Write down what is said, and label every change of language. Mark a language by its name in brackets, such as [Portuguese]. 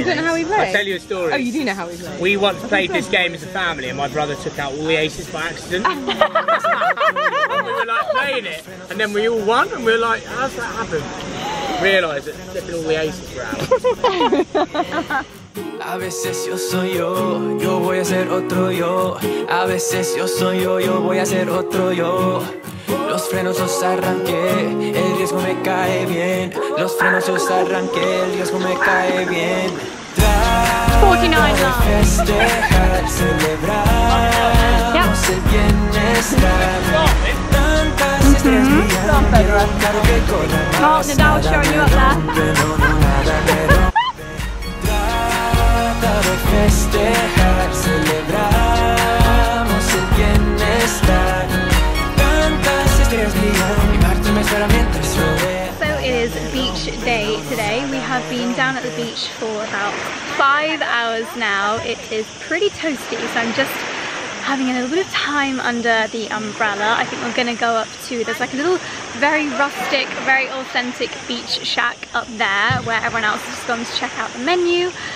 [English] ace. You don't know how we play? I'll tell you a story. Oh, you do know how we play. We once played this game as a family and my brother took out all the aces by accident. And we were like playing it. And then we all won and we were like, how's that happen? Realise that flipping all the aces were out. [Spanish] A veces yo soy yo, yo voy a ser otro yo. A veces yo soy yo, yo voy a ser otro yo. Los frenos los arranqué, el riesgo me cae bien. Los frenos los arranqué, el riesgo me cae bien. [English] 49 love. [Spanish] Festejar, celebramos el bienestar. Festejar, celebramos el bienestar. Tantas estrellas brillan, mi parte me espera mientras yo. [English] Beach day today. We have been down at the beach for about 5 hours now. It is pretty toasty, so I'm just having a little bit of time under the umbrella. I think we're gonna go up to, there's like a little very rustic, very authentic beach shack up there where everyone else has just gone to check out the menu.